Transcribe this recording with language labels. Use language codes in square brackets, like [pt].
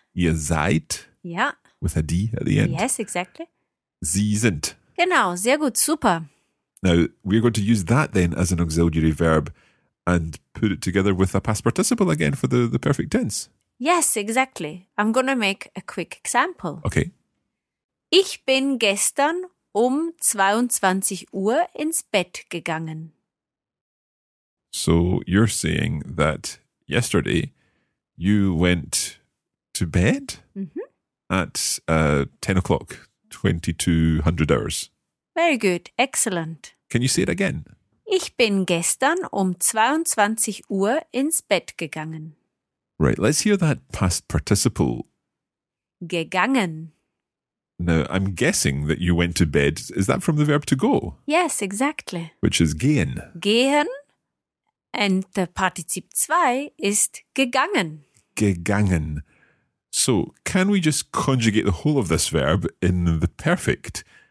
[de] Ihr seid. Ja. [en] With a D at the end. Yes, exactly. [de] Sie sind. Genau, sehr gut, super. [en] Now, we're going to use that then as an auxiliary verb and put it together with a past participle again for the perfect tense. Yes, exactly. I'm going to make a quick example. Okay. [de] Ich bin gestern um 22 Uhr ins Bett gegangen. [en] So you're saying that yesterday you went to bed at 10 o'clock, 2200 hours. Very good. Excellent. Can you say it again? [de] Ich bin gestern um 22 Uhr ins Bett gegangen. [en] Right. Let's hear that past participle. [de] Gegangen. [en] Now, I'm guessing that you went to bed. Is that from the verb to go? Yes, exactly. Which is gehen. Gehen. And the Partizip 2 is gegangen. [de] Gegangen. [en] So, can we just conjugate the whole of this verb in the perfect?